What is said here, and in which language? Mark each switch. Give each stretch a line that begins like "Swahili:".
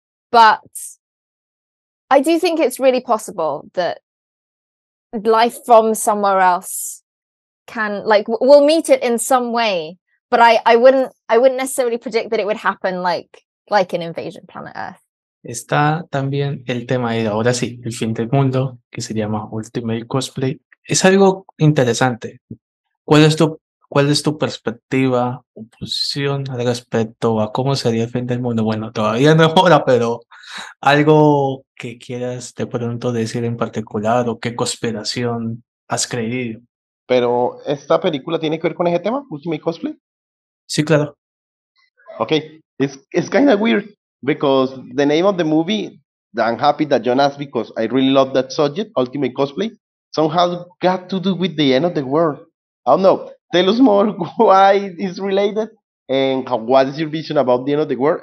English: But I do think it's really possible that life from somewhere else can, like, we'll meet it in some way, but I wouldn't necessarily predict that it would happen like an Invasion Planet Earth.
Spanish: Está también el tema de ahora sí, el fin del mundo, que se llama Ultimate Cosplay. Es algo interesante. ¿Cuál es tu perspectiva o posición al respecto a cómo sería el fin del mundo? Bueno, todavía no es hora, pero algo que quieras de pronto decir en particular o qué conspiración has creído. ¿Pero esta película tiene que ver con ese tema, Ultimate Cosplay? Sí, claro.
English: Ok, it's kind of weird because the name of the movie, I'm happy that John asked because I really love that subject, Ultimate Cosplay, somehow got to do with the end of the world. I don't know. Tell us more why it's related and what is your vision about the end of the world.